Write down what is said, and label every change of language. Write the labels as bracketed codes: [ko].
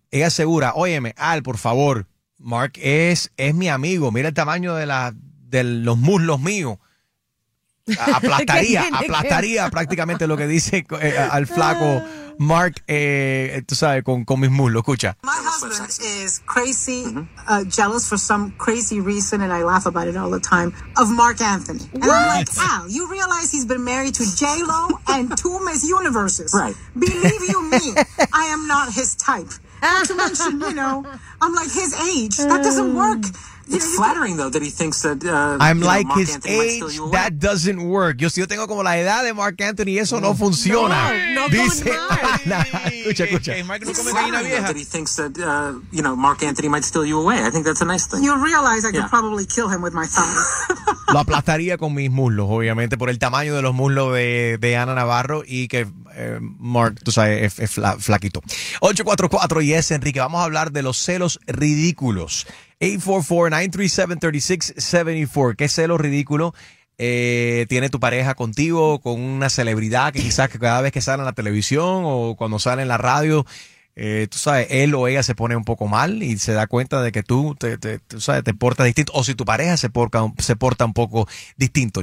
[es] Ella asegura, óyeme, Al, por favor, Mark es mi amigo, mira el tamaño de los muslos míos. Aplastaría prácticamente lo que dice al flaco Mark, tú sabes, con mis muslos, escucha. [en] My husband is crazy, jealous for some crazy reason, and I laugh about it all the time, of Mark Anthony. What? And I'm like, Al, you realize he's been married to J-Lo and two Miss Universes. Right. Believe you me, I am not his type. Not to mention, you know, I'm like his age. That doesn't work. It's flattering, though, that he thinks that... I'm like his age, that doesn't work. [es] Yo, si yo tengo como la edad de Mark Anthony, eso no funciona. No, dice Ana. Escucha. [en] Mark Anthony might steal you away. I think that's a nice thing. You realize I could probably kill him with my thumbs. [es] Lo aplastaría con mis muslos, obviamente, por el tamaño de los muslos de Ana Navarro y que Mark, tú sabes, es flaquito. 844, yes, Enrique. Vamos a hablar de los celos ridículos. 844-937-3674. ¿Qué celo ridículo tiene tu pareja contigo, con una celebridad que quizás cada vez que sale en la televisión o cuando sale en la radio, tú sabes, él o ella se pone un poco mal y se da cuenta de que tú sabes, te portas distinto? O si tu pareja se porta un poco distinto.